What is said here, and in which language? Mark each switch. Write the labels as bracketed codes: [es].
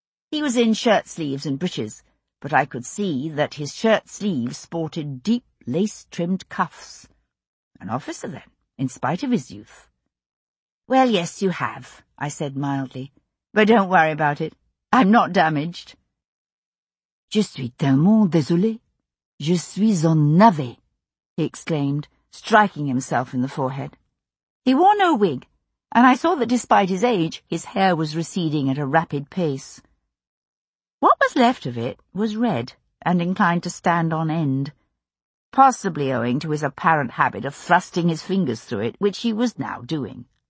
[en] He was in shirt sleeves and breeches, but I could see that his shirt sleeves sported deep lace-trimmed cuffs. An officer, then, in spite of his youth. "Well, yes, you have," I said mildly. "But don't worry about it. I'm not damaged." [fr] "Je suis tellement désolé. Je suis en navet," he exclaimed, striking himself in the forehead. [en] He wore no wig, and I saw that despite his age, his hair was receding at a rapid pace. What was left of it was red and inclined to stand on end, possibly owing to his apparent habit of thrusting his fingers through it, which he was now doing.